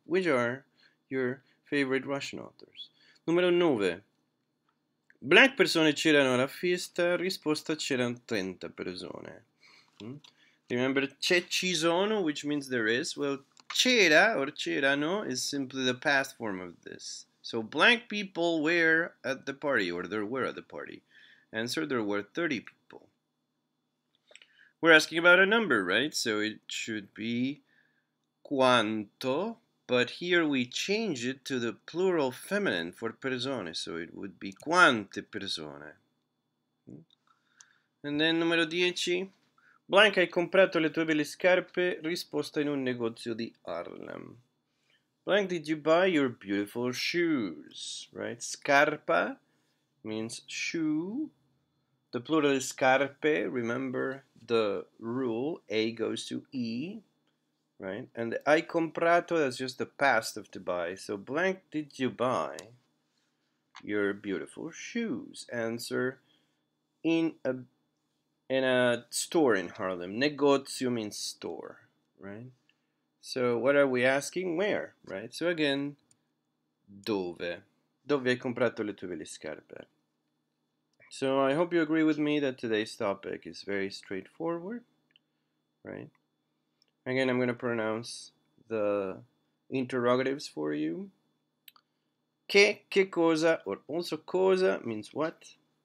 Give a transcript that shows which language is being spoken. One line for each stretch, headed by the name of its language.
English: Which are your favorite Russian authors?
Italian: Numero 9. Blank persone c'erano alla festa. Risposta c'erano 30 persone.
English: Remember,
Italian: c'è ci sono,
English: which means there is. Well, c'era or c'erano is simply the past form of this. So blank people were at the party, or there were at the party. Answer, there were 30 people. We're asking about a number, right? So it should be quanto, but here we change it to the plural feminine for persone, so it would be
Italian: quante persone.
English: And then numero 10.
Italian: Blank, hai comprato le tue belle scarpe? Risposta in un negozio di Harlem.
English: Blank, did you buy your beautiful shoes, right? Scarpa means shoe. The plural is scarpe. Remember the rule, A goes to E, right? And hai comprato is just the past of to buy. So blank, did you buy your beautiful shoes? Answer, in a store in Harlem. Negozio means store, right? So what are we asking? Where, right? So again, dove?
Italian: Dove hai comprato le tue belle scarpe?
English: So I hope you agree with me that today's topic is very straightforward, right? Again, I'm going to pronounce the interrogatives for you. Che cosa, or also cosa means what?